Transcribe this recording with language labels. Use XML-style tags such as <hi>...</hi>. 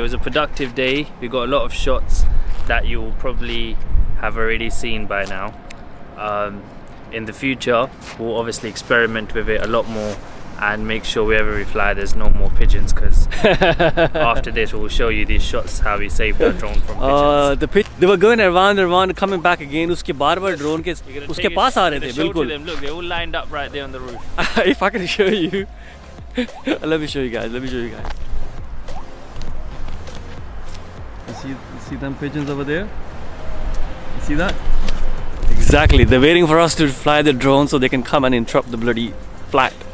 <en>It was a productive day. We got a lot of shots that you'll probably have already seen by now. In the future, we'll obviously experiment with it a lot more and make sure wherever we fly, there's no more pigeons. Because after this, we'll show you these shots how we saved our drone from pigeons. They were going around and around, coming back again.</en> <hi>उसके बार बार drone के उसके पास आ रहे थे, बिल्कुल.</hi> <en>Look, they're all lined up right there on the roof. If I can show you. let me show you guys. You see them pigeons over there? You see that? Exactly. They're waiting for us to fly the drone so they can come and interrupt the bloody flight.</en>